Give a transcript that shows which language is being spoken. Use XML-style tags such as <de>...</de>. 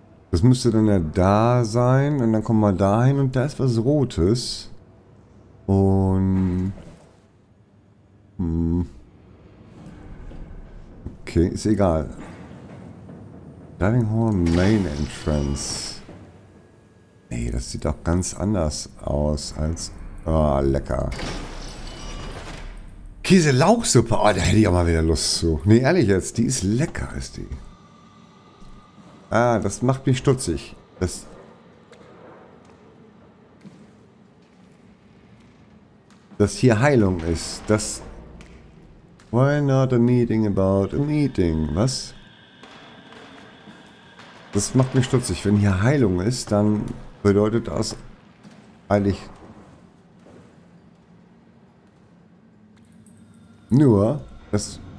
<de>Das müsste dann ja da sein und dann kommen wir da hin und da ist was Rotes und okay, ist egal.</de> <en>Dining Hall Main Entrance.</en> <de>Nee, das sieht doch ganz anders aus als, oh, lecker. Käse-Lauchsuppe, oh, da hätte ich auch mal wieder Lust zu. Nee, ehrlich jetzt, die ist lecker, ist die. Ah, das macht mich stutzig. Das. Dass hier Heilung ist. Das.</de> <en>Why not a meeting about a meeting?</en> <de>Was? Das macht mich stutzig. Wenn hier Heilung ist, dann bedeutet das eigentlich nur, dass</de>